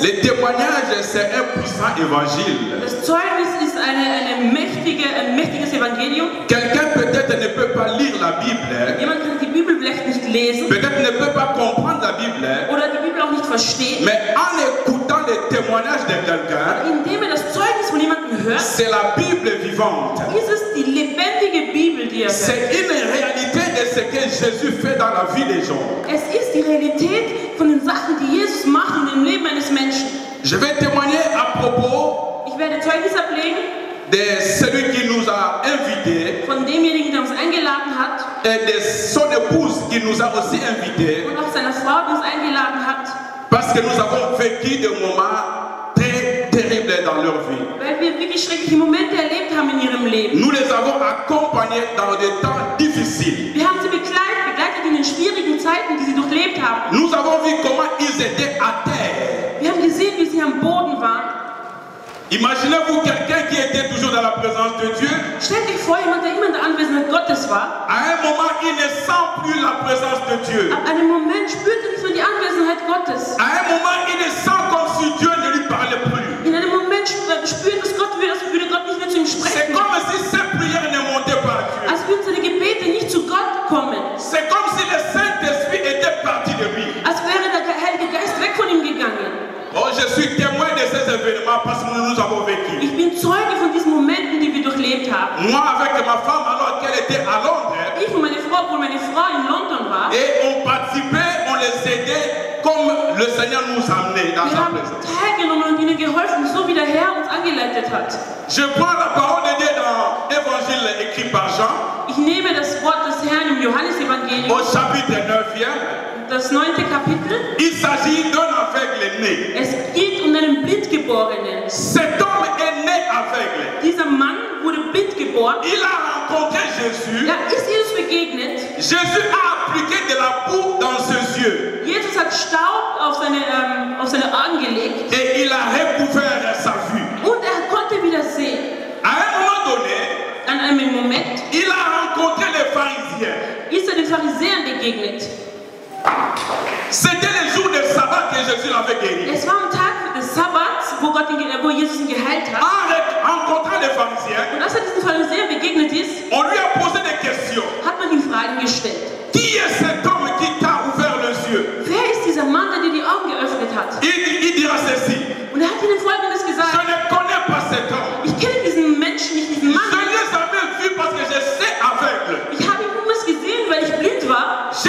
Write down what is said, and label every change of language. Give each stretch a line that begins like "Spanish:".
French: Le témoignage, c'est un puissant évangile.
German: Das Zeugnis ist ein mächtiges Evangelium.
French: Quelqu'un peut-être ne peut pas lire la Bible.
German: Jemand kann die Bibel vielleicht nicht lesen.
French: Peut-être ne peut pas comprendre la Bible.
German: Oder die Bibel auch nicht verstehen.
French: Mais en écoutant le témoignage de quelqu'un,
German: indem er das Zeugnis von jemandem hört,
French: c'est la Bible vivante.
German: Ist es die lebendige Bibel, die er hört.
French: C'est une réalité de ce que Jésus fait dans la vie des gens.
German: Es ist die Realität von den Sachen, die Jesus macht in dem Leben eines Menschen.
French: Je vais témoigner à propos.
German: Ich werde Zeugnis ablegen.
French: De celui qui nous a invité,
German: von demjenigen, der uns eingeladen hat,
French: et de son épouse qui nous a aussi invité,
German: und auch seiner Frau, die uns eingeladen hat,
French: parce que nous avons vécu des moments très terribles dans leur vie.
German: Weil wir wirklich schreckliche Momente erlebt haben in ihrem Leben.
French: Nous les avons accompagnés dans des temps difficiles.
German: Wir haben sie begleitet in den schwierigen Zeiten, die sie durchlebt haben.
French: Nous avons vu comment ils étaient à terre.
German: Wir haben gesehen, wie sie am Boden waren.
French: Imaginez-vous quelqu'un qui était toujours dans la présence de Dieu.
German: Stell dir vor, jemand, der immer in der Anwesenheit Gottes war.
French: À un moment, il ne sent plus la présence de Dieu.
German: An einem Moment spürt er nicht mehr die Anwesenheit Gottes.
French: À un moment, il ne sent comme si Dieu ne lui parlait plus.
German: In einem Moment spürt dass Gott wieder, dass würde Gott nicht mehr zu ihm sprechen.
French: C'est comme si ses prières ne montaient pas à Dieu.
German: Als würden seine Gebete nicht zu Gott kommen.
French: C'est comme si le Saint-Esprit était parti de lui.
German: Als wäre der Heilige Geist weg von ihm gegangen.
French: Oh, je suis témoin de ces événements parce que nous avons vécu.
German: Ich bin Zeuge von diesen Momenten, die wir durchlebt haben.
French: Moi avec ma femme, alors qu'elle était à Londres.
German: Ich und meine Frau in London war.
French: Et on participait, on les aidait comme le Seigneur nous a amenés dans sa présence.
German: Wir haben teilgenommen und ihnen geholfen, so wie der Herr uns angeleitet hat.
French: Je prends la parole de Dieu dans l'évangile écrit par Jean.
German: Ich nehme das Wort des Herrn im Johannesevangelium.
French: Au chapitre 9, hein?
German: Das 9. Kapitel.
French: Il s'agit d'un aveugle né.
German: Es geht um einen Blindgeborenen.
French: Cet homme est né aveugle.
German: Dieser Mann wurde blind geboren.
French: Il a rencontré Jésus.
German: Er ist Jesus begegnet.
French: Jésus a appliqué de la boue dans ses yeux.
German: Jesus hat Staub auf seine Augen gelegt.
French: Et il a recouvert sa vue.
German: Und er konnte wieder sehen.
French: À un moment donné,
German: an einem Moment,
French: il a rencontré les Pharisiens.
German: Ist den Pharisäern begegnet.
French: C'était le jour de Sabbat que Jésus l'avait guéri.
German: Es war am Tag des Sabbats, wo Jesus ihn geheilt hat.
French: En rencontrant les Pharisiens.
German: Und als er diesen Pharisäern begegnet ist.
French: On lui a posé des questions.
German: Hat man ihm Fragen gestellt.
French: Qui est cet homme qui t'a ouvert les yeux?
German: Wer ist dieser Mann, der dir die Augen geöffnet hat?
French: Il dira ceci.
German: Und hat ihnen Folgendes gesagt.
French: Je ne connais pas cet homme.
German: Ich kenne diesen Menschen nicht, diesen Mann.
French: Je l'ai jamais vu parce que je suis aveugle.
German: Ich habe ihn niemals gesehen, weil ich blind war.